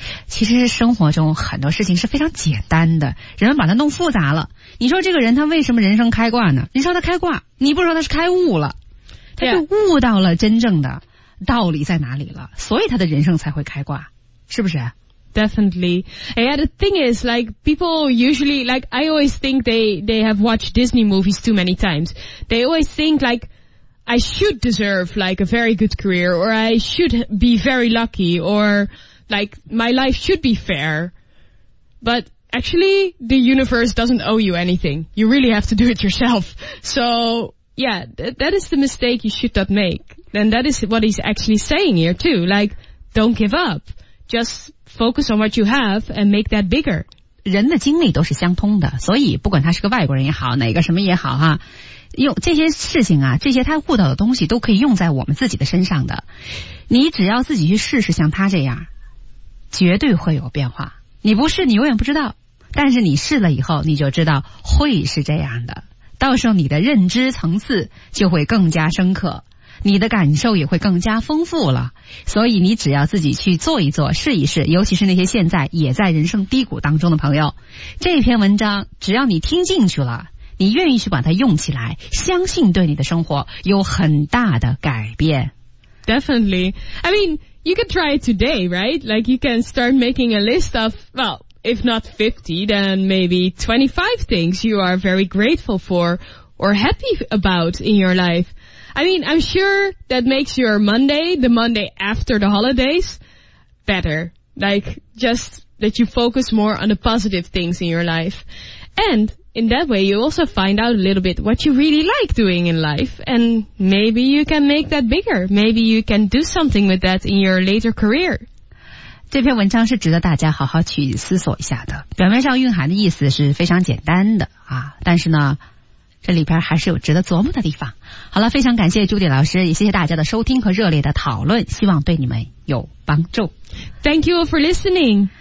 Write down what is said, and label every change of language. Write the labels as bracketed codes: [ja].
[zh] 其实生活中很多事情是非常简单的，人们把它弄复杂了。你说这个人他为什么人生开挂呢？你说他开挂，你不说他是开悟了，他就悟到了真正的道理在哪里了，所以他的人生才会开挂，是不是？ [en] Definitely. Yeah, the thing is, like, people usually, like, I always think they have watched Disney movies too many times. They always think, like,I should deserve, like, a very good career, or I should be very lucky, or, like, my life should be fair. But actually, the universe doesn't owe you anything. You really have to do it yourself. So, yeah, that is the mistake you should not make. And that is what he's actually saying here, too. Like, don't give up. Just focus on what you have and make that bigger. [zh] 人的经历都是相通的，所以不管他是个外国人也好，哪个什么也好哈，用这些事情啊，这些他悟到的东西都可以用在我们自己的身上的。你只要自己去试试，像他这样，绝对会有变化。你不试，你永远不知道。但是你试了以后，你就知道会是这样的。到时候你的认知层次就会更加深刻，你的感受也会更加丰富了，所以你只要自己去做一做，试一试，尤其是那些现在也在人生低谷当中的朋友，这篇文章只要你听进去了，你愿意去把它用起来，相信对你的生活有很大的改变。 [en] Definitely. I mean, you can try it today, right? Like, you can start making a list of, well, if not 50, then maybe 25 things you are very grateful for or happy about in your lifeI mean, I'm sure that makes your Monday, the Monday after the holidays, better. Like, just that you focus more on the positive things in your life. And in that way, you also find out a little bit what you really like doing in life. And maybe you can make that bigger. Maybe you can do something with that in your later career. [zh] 这篇文章是值得大家好好去思索一下的。表面上蕴含的意思是非常简单的啊，但是呢，这里边还是有值得琢磨的地方。好了，非常感谢朱迪老师，也谢谢大家的收听和热烈的讨论，希望对你们有帮助。 [en] Thank you for listening.